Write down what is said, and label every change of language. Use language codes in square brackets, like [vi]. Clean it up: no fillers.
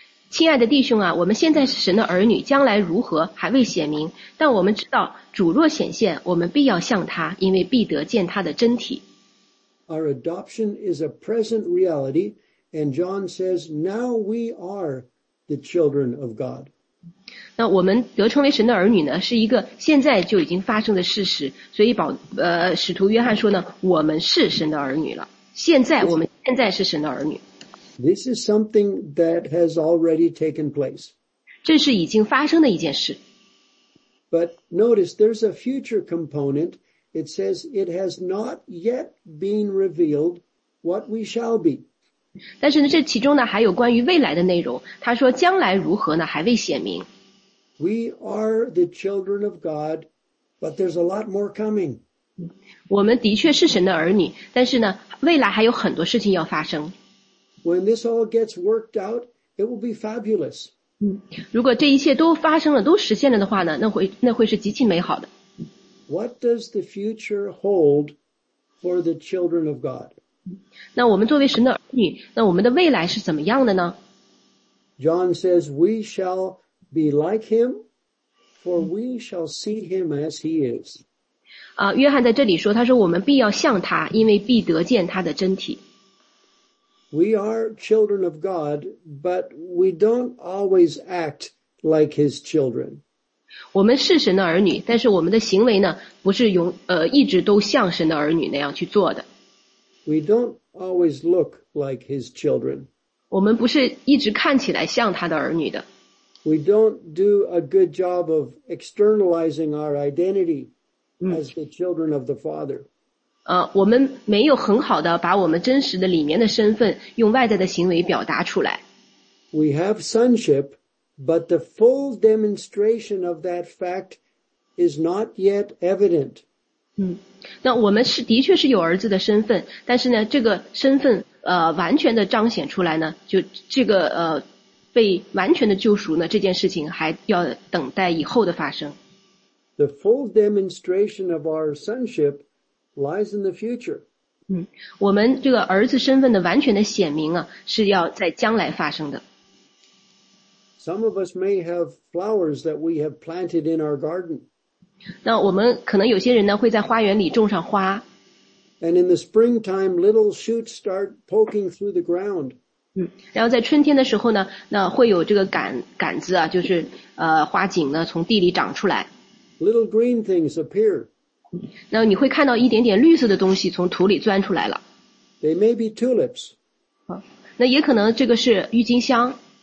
[zh] 亲爱的弟兄啊，我们现在是神的儿女，将来如何还未显明，但我们知道主若显现，我们必要像他，因为必得见他的真体。 [en] Our adoption is a present reality, and John says, now we are the children of God. [zh] 那我们得称为神的儿女呢，是一个现在就已经发生的事实，所以使徒约翰说呢，我们是神的儿女了，现在我们现在是神的儿女。 [en] This is something that has already taken place. [zh] 这是已经发生的一件事。 [en] But notice there's a future component. It says it has not yet been revealed what we shall be. [zh] 但是呢，这其中呢还有关于未来的内容。他说将来如何呢还未显明。 [en] We are the children of God, but there's a lot more coming. [zh] 我们的确是神的儿女，但是呢未来还有很多事情要发生。 [en] When this all gets worked out, it will be fabulous. [zh] 如果这一切都发生了，都实现了的话呢，那会是极其美好的。 [en] What does the future hold for the children of God? [zh] 那我们作为神的儿女，那我们的未来是怎么样的呢？ [en] John says, we shall be like him, for we shall see him as he is. [zh] 约翰在这里说，他说我们必要像他，因为必得见他的真体。 [en] We are children of God, but we don't always act like his children. [zh] 我们是神的儿女，但是我们的行为呢，不是一直都像神的儿女那样去做的。 [en] We don't always look like his children. [zh] 我们不是一直看起来像他的儿女的。 [en] We don't do a good job of externalizing our identity as the children of the Father. [zh] 我们没有很好的把我们真实的里面的身份用外在的行为表达出来。 [en] We have sonship, but the full demonstration of that fact is not yet evident. [zh] 那我们是的确是有儿子的身份，但是呢，这个身份完全的彰显出来呢，就这个被完全的救赎呢，这件事情还要等待以后的发生。 [en] The full demonstration of our sonship. Lies in the future. [zh] 我们这个儿子身份的完全的显明啊，是要在将来发生的。 [en] Some of us may have flowers that we have planted in our garden. [zh] 那我们可能有些人呢会在花园里种上花。 [en] And in the springtime, little shoots start poking through the ground. [zh] 然后在春天的时候呢，那会有这个杆子啊，就是花茎呢从地里长出来。 [en] Little green things appear. [zh] 那你会看到一点点绿色的东西从土里钻出来了。 [en] They may be tulips. [zh] 那也可能这个是郁金香。